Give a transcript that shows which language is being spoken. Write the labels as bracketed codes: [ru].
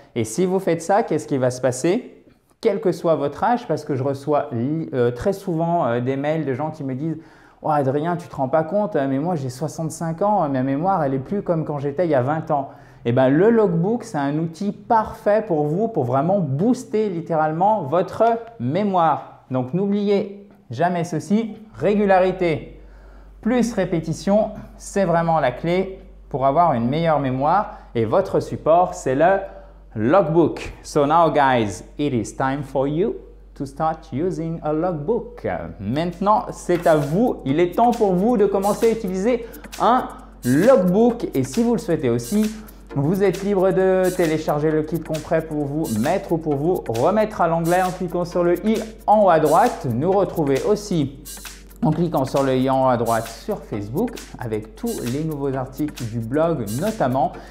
[fr] Et si vous faites ça, qu'est-ce qui va se passer? Quel que soit votre âge, parce que je reçois très souvent des mails de gens qui me disent « Oh Adrien, tu ne te rends pas compte, mais moi j'ai 65 ans, ma mémoire elle n'est plus comme quand j'étais il y a 20 ans. » Eh bien, le logbook, c'est un outil parfait pour vous, pour vraiment booster littéralement votre mémoire. Donc, n'oubliez jamais ceci, régularité plus répétition, c'est vraiment la clé pour avoir une meilleure mémoire et votre support, c'est le logbook. [en] So now guys, it is time for you to start using a logbook. [fr] Maintenant, c'est à vous. Il est temps pour vous de commencer à utiliser un logbook. Et si vous le souhaitez aussi, vous êtes libre de télécharger le kit complet pour vous mettre ou pour vous remettre à l'anglais en cliquant sur le i en haut à droite. Nous retrouver aussi en cliquant sur le i en haut à droite sur Facebook avec tous les nouveaux articles du blog notamment.